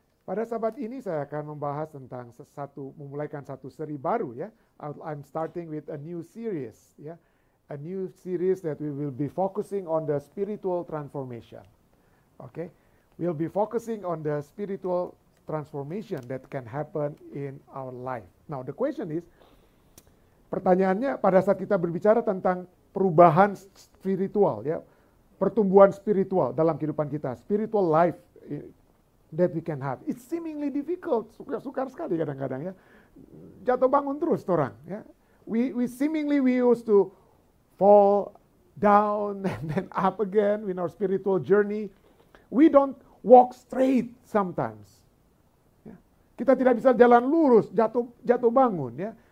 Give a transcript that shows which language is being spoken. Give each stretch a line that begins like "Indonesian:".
Indonesian: Pada sabat ini saya akan membahas tentang memulaikan satu seri baru ya.
English: I'm starting with a new series ya. A new series that we will be focusing on the spiritual transformation. Okay? We'll be focusing on the spiritual transformation that can happen in our life. Now the question is,
Indonesian: pertanyaannya pada saat kita berbicara tentang perubahan spiritual ya, pertumbuhan spiritual dalam kehidupan kita,
English: spiritual life that we can have. It's seemingly difficult.
Indonesian: Sukar sekali kadang-kadang ya. Jatuh bangun terus orang ya.
English: We seemingly used to fall down and then up again in our spiritual journey. We don't walk straight sometimes. Ya.
Indonesian: Kita tidak bisa jalan lurus, jatuh bangun ya.